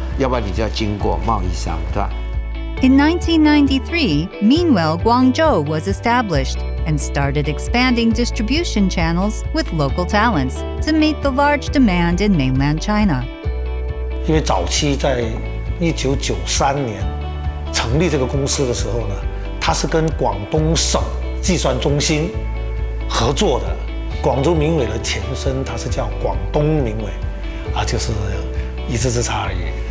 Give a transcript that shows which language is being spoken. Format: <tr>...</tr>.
<zh>要不然你就要经过贸易商，对吧？</zh> <en>In 1993, meanwhile, Guangzhou was established and started expanding distribution channels with local talents to meet the large demand in mainland China.</en> <zh>因为早期在1993年成立这个公司的时候呢，它是跟广东省计算中心合作的。广州名委的前身它是叫广东名委，啊，就是一字之差而已。</zh>